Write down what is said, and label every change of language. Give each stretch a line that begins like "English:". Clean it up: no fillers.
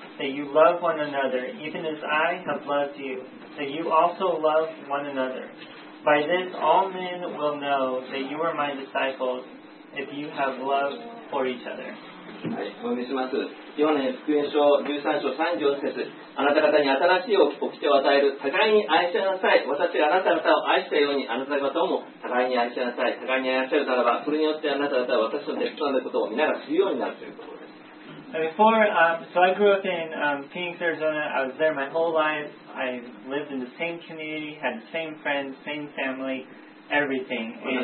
English: That you love one another, even as I have loved you, that you also love one another. By this all men will know that you are my disciples, if you have love for each other.
Japanese: はい、お読みします。ヨハネ福音書13章34節。あなた方に新しい掟を与える。互いに愛し合いなさい。私があなた方を愛したように、あなた方も互いに愛し合いなさい。互いに愛し合うならば、それによってあなた方は私の弟子となることを皆が知るようになるということです。
English: Before, so I grew up in Phoenix, Arizona. I was there my whole life. I lived in the same community, had the same friends, same family, everything.